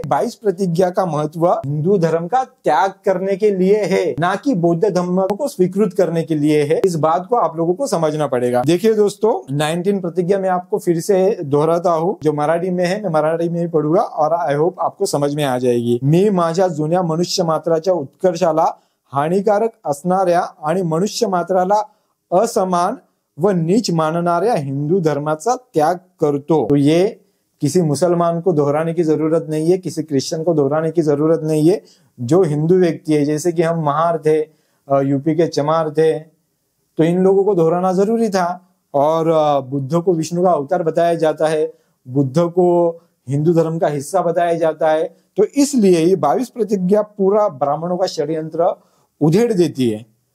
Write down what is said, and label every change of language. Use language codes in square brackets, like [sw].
[hi] 22 प्रतिज्ञा का महत्व हिंदू धर्म का त्याग करने के लिए है, ना कि बौद्ध धर्म को स्वीकृत करने के लिए है। इस बात को आप लोगों को समझना पड़ेगा। देखिए दोस्तों, 19 प्रतिज्ञा मैं आपको फिर से दोहराता हूँ, जो मराठी में है मैं मराठी में ही पढ़ूंगा और आई होप आपको समझ में आ जाएगी। [mr] मी माझ्या जुन्या मनुष्य मात्राच्या उत्कर्षाला हानिकारक असणाऱ्या आणि मनुष्य मात्राला असमान व नीच मानणाऱ्या हिंदू धर्माचा त्याग करतो। [hi] तो ये किसी मुसलमान को दोहराने की जरूरत नहीं है, किसी क्रिश्चियन को दोहराने की जरूरत नहीं है। जो हिंदू व्यक्ति है, जैसे कि हम महार थे, यूपी के चमार थे, तो इन लोगों को दोहराना जरूरी था। और बुद्ध को विष्णु का अवतार बताया जाता है, बुद्ध को हिंदू धर्म का हिस्सा बताया जाता है, तो इसलिए ये 22 प्रतिज्ञा पूरा ब्राह्मणों का षड्यंत्र उधेड़ देती है।